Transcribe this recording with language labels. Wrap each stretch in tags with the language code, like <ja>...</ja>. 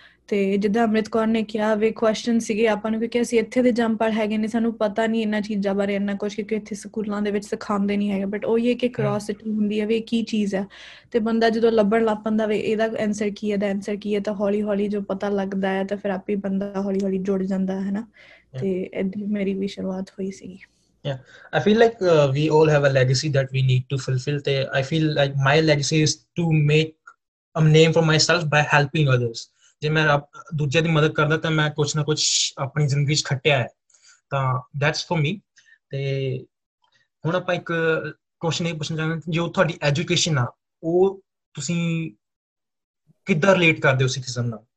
<pa>ਅਤੇ ਜਿੱਦਾਂ ਅੰਮ੍ਰਿਤ ਕੌਰ ਨੇ ਕਿਹਾ ਵੀ ਕੁਐਸਚਨ ਸੀਗੇ ਆਪਾਂ ਨੂੰ, ਕਿਉਂਕਿ ਅਸੀਂ ਇੱਥੇ ਦੇ ਜੰਮਪਲ ਹੈਗੇ ਨੇ, ਸਾਨੂੰ ਪਤਾ ਨਹੀਂ ਇਹਨਾਂ ਚੀਜ਼ਾਂ ਬਾਰੇ ਇੰਨਾ ਕੁਛ, ਕਿਉਂਕਿ ਇੱਥੇ ਸਕੂਲਾਂ ਦੇ ਵਿੱਚ ਸਿਖਾਉਂਦੇ ਨਹੀਂ ਹੈਗੇ. ਬਟ ਉਹ ਹੀ ਇੱਕ ਕਿਉਰੋਸਿਟੀ ਹੁੰਦੀ ਹੈ ਵੀ ਇਹ ਕੀ ਚੀਜ਼ ਹੈ. ਅਤੇ ਬੰਦਾ ਜਦੋਂ ਲੱਭਣ ਲੱਗ ਪੈਂਦਾ ਵੀ ਇਹਦਾ ਐਂਸਰ ਕੀ ਹੈ, ਇਹਦਾ ਐਂਸਰ ਕੀ ਹੈ, ਤਾਂ ਹੌਲੀ ਹੌਲੀ ਜੋ ਪਤਾ ਲੱਗਦਾ ਹੈ ਤਾਂ ਫਿਰ ਆਪੇ ਬੰਦਾ ਹੌਲੀ ਹੌਲੀ ਜੁੜ ਜਾਂਦਾ ਹੈ, ਹੈ ਨਾ. ਅਤੇ ਇੱਦਾਂ ਮੇਰੀ ਵੀ ਸ਼ੁਰੂਆਤ ਹੋਈ ਸੀਗੀ.</pa> <en>Yeah, I feel like we all have a legacy that we need to fulfill. I feel like my legacy is to make a name for myself by helping others.</en> <pa>ਜੇ ਮੈਂ ਦੂਜਿਆਂ ਦੀ ਮਦਦ ਕਰਦਾ ਤਾਂ ਮੈਂ ਕੁਛ ਨਾ ਕੁਛ ਆਪਣੀ ਜ਼ਿੰਦਗੀ 'ਚ ਖੱਟਿਆ ਹੈ, ਤਾਂ</pa> <en>That's for me.</en> <pa>ਅਤੇ ਹੁਣ ਆਪਾਂ ਇੱਕ ਕੁਸ਼ਚਨ ਇਹ ਪੁੱਛਣਾ ਚਾਹੁੰਦੇ ਹਾਂ, ਜੋ ਤੁਹਾਡੀ ਐਜੂਕੇਸ਼ਨ ਆ ਉਹ ਤੁਸੀਂ ਕਿੱਦਾਂ ਰਿਲੇਟ ਕਰਦੇ ਹੋ ਸਿੱਖਿਜ਼ਮ ਨਾਲ?</pa>